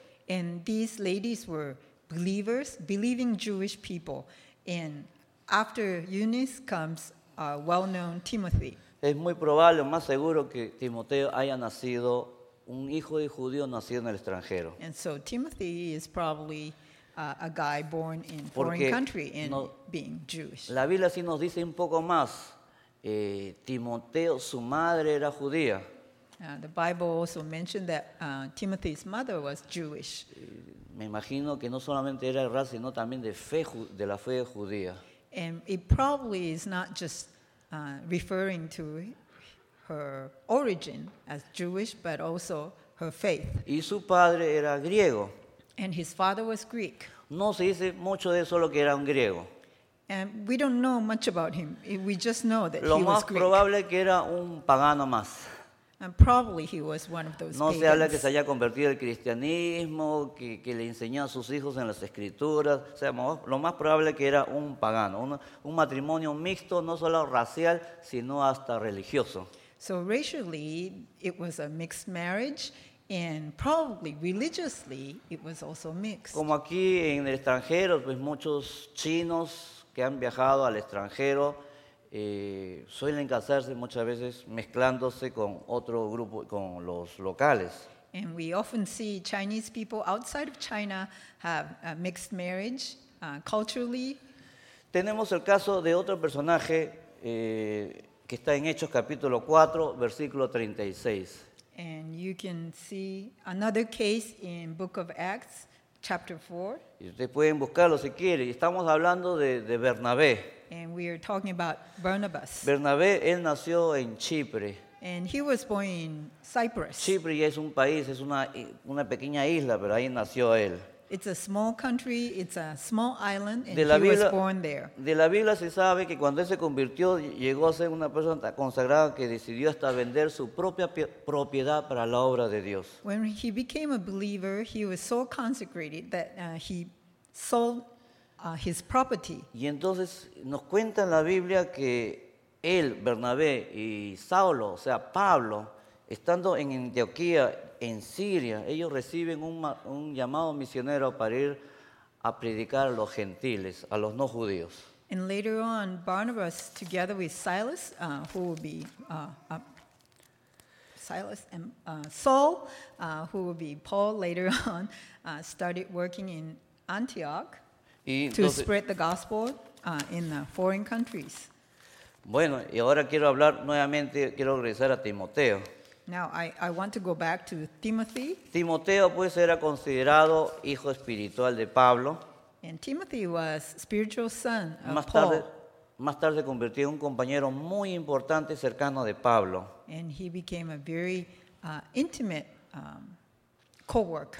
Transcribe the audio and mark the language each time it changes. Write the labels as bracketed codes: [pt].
[en] And these ladies were believers, believing Jewish people. And after Eunice comes a well-known Timothy. [es] Es muy probable, más seguro, que Timoteo haya nacido un hijo de judío nacido en el extranjero. [en] And so Timothy is probably a guy born in foreign country and [es] no, [en] being Jewish. [es] La Biblia sí nos dice un poco más. Timoteo, su madre era judía. [en] The Bible also mentioned that Timothy's mother was Jewish. [es] Me imagino que no solamente era de raza, sino también de la fe judía. [en] And it probably is not just referring to her origin as Jewish, but also her faith. [es] Y su padre era griego. [en] And his father was Greek. [es] No se dice mucho de eso, lo que era un griego. [en] And we don't know much about him. We just know that [es] lo [en] he was Greek. [es] Lo más probable que era un pagano más. [en] And probably he was one of those pagans. [es] No se habla que se haya convertido al cristianismo, que le enseñó a sus hijos en las escrituras. O sea, lo más probable que era un pagano, un matrimonio mixto, no solo racial, sino hasta religioso. [en] So racially, it was a mixed marriage, and probably religiously, it was also mixed. [es] Como aquí en el extranjero, pues muchos chinos que han viajado al extranjero, suelen casarse muchas veces mezclándose con otro grupo, con los locales. [en] And we often see Chinese people outside of China have a mixed marriage culturally. [es] Tenemos el caso de otro personaje que está en Hechos capítulo 4, versículo 36. [en] And you can see another case in Book of Acts, chapter 4. [es] Y ustedes pueden buscarlo si quieren. Estamos hablando de Bernabé. [en] And we are talking about Barnabas. [es] Bernabé, él nació en Chipre. [en] And he was born in Cyprus. [es] Chipre ya es un país, es una pequeña isla, pero ahí nació él. [en] It's a small country, it's a small island, and he was born there. [es] De la Biblia se sabe que cuando él se convirtió, llegó a ser una persona consagrada que decidió hasta vender su propia propiedad para la obra de Dios. [en] When he became a believer, he was so consecrated that he sold his property. [es] Y entonces nos cuenta en la Biblia que él, Bernabé, y Saulo, o sea, Pablo, estando en Antioquía, en Siria, ellos reciben un llamado misionero para ir a predicar a los gentiles, a los no judíos. [en] And later on, Barnabas, together with Silas, who will be Silas and Saul, who will be Paul later on, started working in Antioch. To spread the gospel in the foreign countries. [es] Bueno, y ahora quiero hablar nuevamente, quiero regresar a Timoteo. [en] Now, I want to go back to Timothy. [es] Timoteo, pues, era considerado hijo espiritual de Pablo. [en] And Timothy was spiritual son of [es] más [en] Paul. [es] Más tarde, convirtió en un compañero muy importante cercano de Pablo. [en] And he became a very intimate co-worker.